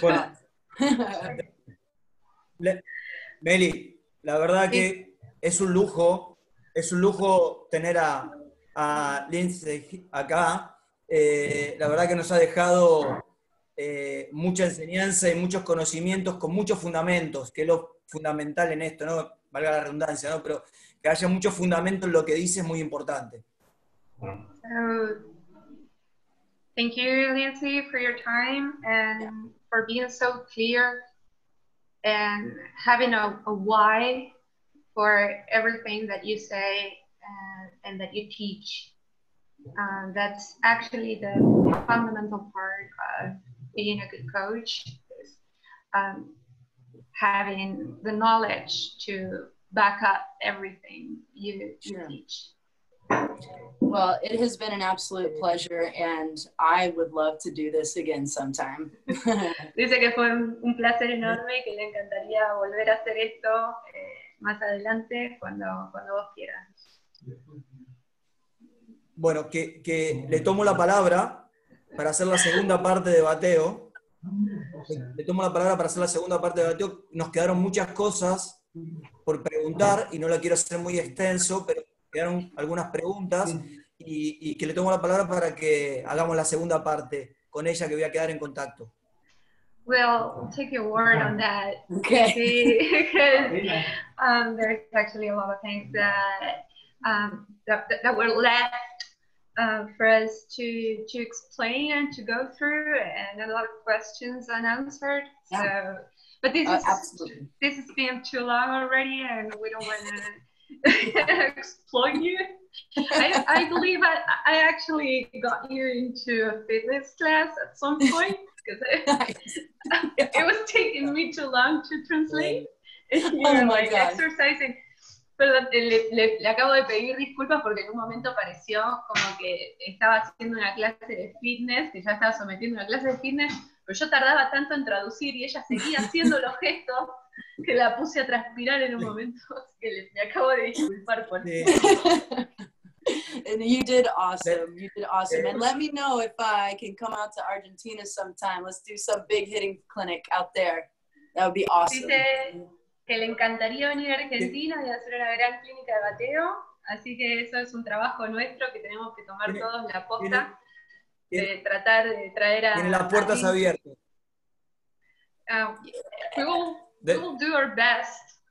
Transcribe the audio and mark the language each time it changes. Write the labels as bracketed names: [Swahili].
[Spanish] Bueno, Meli, la verdad que es un lujo tener a Lindsay acá. La verdad que nos ha dejado mucha enseñanza y muchos conocimientos con muchos fundamentos, que es lo fundamental en esto, ¿no? Valga la redundancia, ¿no? Pero que haya muchos fundamentos en lo que dice es muy importante. [English] Thank you, Lindsay, for your time and for being so clear and having a why for everything that you say and that you teach. That's actually the fundamental part of being a good coach, is having the knowledge to back up everything you teach. Well, it has been an absolute pleasure, and I would love to do this again sometime. [Spanish] Dice que fue un placer enorme y que le encantaría volver a hacer esto más adelante cuando vos quieras. Bueno, que le tomo la palabra para hacer la segunda parte de bateo. Le tomo la palabra para hacer la segunda parte de bateo. Nos quedaron muchas cosas por preguntar y no la quiero hacer muy extenso, pero quedaron algunas preguntas y que le tomo la palabra para que hagamos la segunda parte con ella, que voy a quedar en contacto. [English] Well, take your word on that. Okay. Because there's actually a lot of things that were left for us to explain and to go through, and a lot of questions unanswered. Yeah. So, but this has been too long already, and we don't want to exploit you. I believe I actually got you into a fitness class at some point, because it was taking me too long to translate. Oh my god. Exercising. [Spanish] Pero le acabo de pedir disculpas porque en un momento pareció como que estaba haciendo una clase de fitness, que ya estaba sometiendo una clase de fitness, pero yo tardaba tanto en traducir y ella seguía haciendo los gestos que la puse a transpirar en un momento, que me acabo de disculpar por eso. [English] And you did awesome. You did awesome. And let me know if I can come out to Argentina sometime. Let's do some big hitting clinic out there. That would be awesome. [Spanish] Dice que le encantaría venir a Argentina y hacer una gran clínica de bateo. Así que eso es un trabajo nuestro que tenemos que tomar todos la posta de tratar de traer a. En las puertas abiertas. [English] We'll do our best.